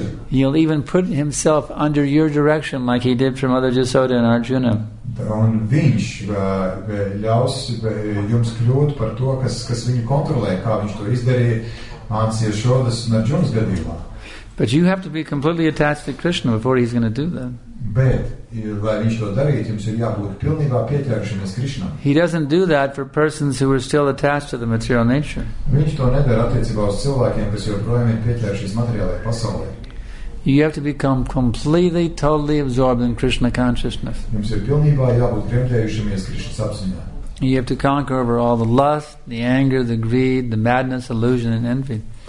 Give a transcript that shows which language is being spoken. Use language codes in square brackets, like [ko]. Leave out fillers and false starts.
[en] He'll even put himself under your direction like he did for Mother Jasoda and Arjuna. [lv] Un viņš ļaus jums kļūt par to, kas viņu kontrolē, kā viņš to izdarīja Mācīja Šodas un Arjunas gadījumā. [en] But you have to be completely attached to Krishna before he's going to do that. [lv] Bet, lai viņš to darīt, jums ir jābūt pilnībā pieķēršanies Krishna. [en] He doesn't do that for persons who are still attached to the material nature. [lv] Viņš to nedara attiecībā uz cilvēkiem, kas joprojām ir pieķēršies materiālajai pasaulē. [en] You have to become completely, totally absorbed in Krishna consciousness. You have to conquer over all the lust, the anger, the greed, the madness, illusion, and envy.